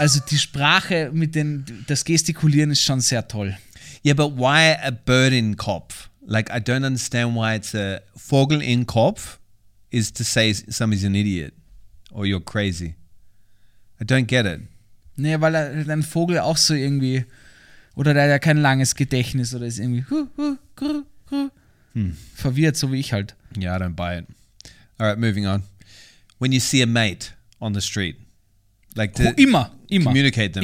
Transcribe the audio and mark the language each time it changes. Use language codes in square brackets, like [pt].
[de] Also die Sprache mit den, das Gestikulieren ist schon sehr toll. [en] Yeah, but why a bird in Kopf? Like, I don't understand why it's a [de] Vogel in Kopf [en] is to say somebody's an idiot. Or you're crazy. I don't get it. [de] Nee, weil dein Vogel auch so irgendwie, oder der hat ja kein langes Gedächtnis oder ist irgendwie. Hu, hu, gru, Verwirrt, so wie ich halt. [en] Yeah, I don't buy it. All right, moving on. When you see a mate on the street, like to communicate them.